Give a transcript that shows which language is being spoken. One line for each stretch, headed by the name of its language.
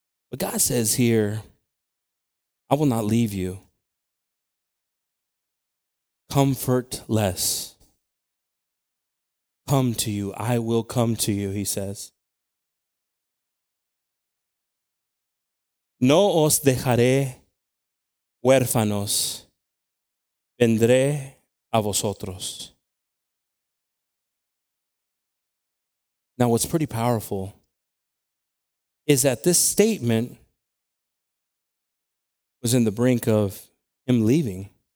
English: But God says here, I will not leave you comfortless. Come to you. I will come to you, he says.
Spanish: No os dejaré huérfanos, vendré a vosotros.
English: Now, what's pretty powerful is that this statement was in the brink of him leaving.